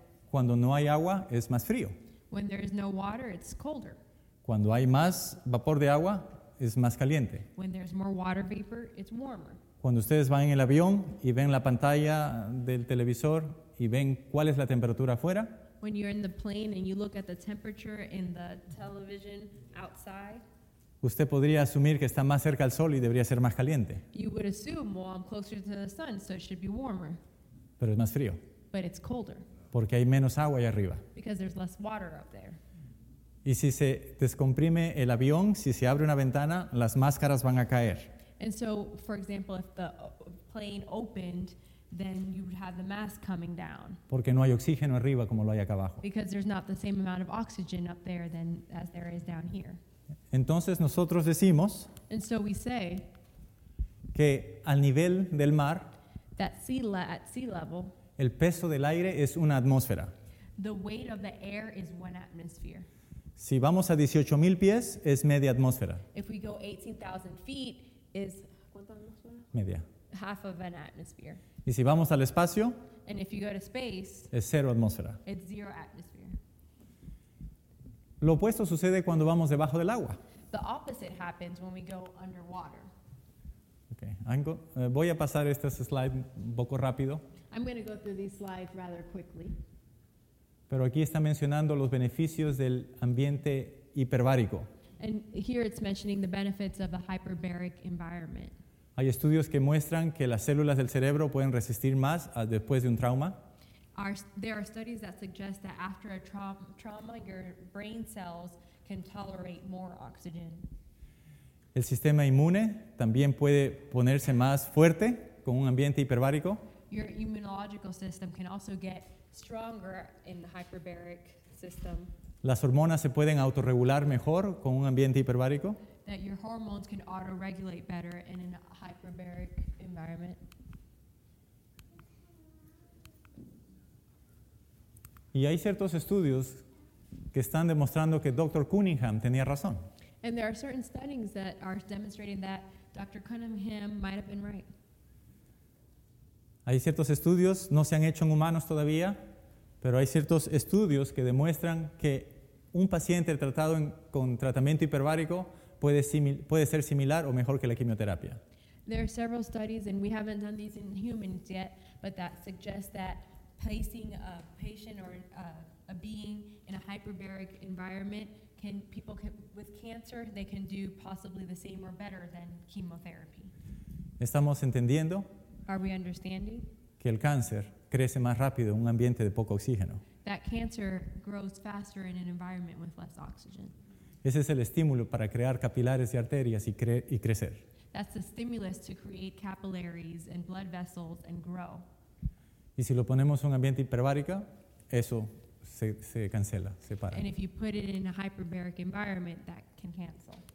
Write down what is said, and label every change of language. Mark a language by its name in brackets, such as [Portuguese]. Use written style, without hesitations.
[Spanish] Cuando no hay agua, es más frío. [English] When there is no water, it's colder. [Spanish] Cuando hay más vapor de agua, es más caliente. [English] When there's more water vapor, it's warmer. [Spanish] Cuando ustedes van en el avión y ven la pantalla del televisor y ven cuál es la temperatura afuera. [English] When you're in the plane and you look at the temperature in the television outside. [Spanish] Usted podría asumir que está más cerca al sol y debería ser más caliente. [English] You would assume, well, I'm closer to the sun, so it should be warmer. [Spanish] Pero es más frío. [English] But it's colder. [Spanish] Porque hay menos agua allá arriba. [English] Because there's less water up there. [Spanish] Y si se descomprime el avión, si se abre una ventana, las máscaras van a caer. [English] And so, for example, if the plane opened, then you would have the mask coming down. [Spanish] Porque no hay oxígeno arriba como lo hay acá abajo. [English] Because there's not the same amount of oxygen up there than as there is down here. [Spanish] Entonces nosotros decimos, [English] and so we say, [Spanish] que al nivel del mar, [English] that at sea level, [Spanish] el peso del aire es una atmósfera. [English] The weight of the air is one atmosphere. [Spanish] Si vamos a 18,000 pies, es media atmósfera. [English] If we go 18,000 feet, is [Spanish] media. [English] Half of an atmosphere. [Spanish] Y si vamos al espacio, [English] and if you go to space, [Spanish] es cero atmósfera. [English] It's zero atmosphere. [Spanish] Lo opuesto sucede cuando vamos debajo del agua. [English] The opposite happens when we go underwater. Okay. [Spanish] Voy a pasar este slide un poco rápido. [English] I'm going to go through these slides rather quickly. [Spanish] Pero aquí está mencionando los beneficios del ambiente hiperbárico. [English] And here it's mentioning the benefits of the hyperbaric environment. [Spanish] Hay estudios que muestran que las células del cerebro pueden resistir más después de un trauma. [English] There are studies that suggest that after a trauma, your brain cells can tolerate more oxygen. [Spanish] El sistema inmune también puede ponerse más fuerte con un ambiente hiperbárico. [English] Your immunological system can also get stronger in the hyperbaric system. [Spanish] Las hormonas se pueden autorregular mejor con un ambiente hiperbárico. [English] that your hormones can auto-regulate better in a hyperbaric environment? [Spanish] Y hay ciertos estudios que están demostrando que Dr. Cunningham tenía razón. [English] And there are certain studies that are demonstrating that Dr. Cunningham might have been right. [Spanish] Hay ciertos estudios, no se han hecho en humanos todavía, pero hay ciertos estudios que demuestran que un paciente tratado con tratamiento hiperbárico puede ser similar o mejor que la quimioterapia. [English] There are several studies, and we haven't done these in humans yet, but that suggests that placing a patient or a being in a hyperbaric environment can people can, with cancer, they can do possibly the same or better than chemotherapy. [Spanish] ¿Estamos entendiendo? [English] Are we understanding? [Spanish] Que el cáncer crece más rápido en un ambiente de poco oxígeno. [English] That cancer grows faster in an environment with less oxygen. [Spanish] Ese es el estímulo para crear capilares y arterias y crecer. [English] That's the stimulus to create capillaries and blood vessels and grow. [Spanish] Y si lo ponemos en un ambiente hiperbárico, eso se cancela, se para. [English] And if you put it in a hyperbaric environment, that can cancel.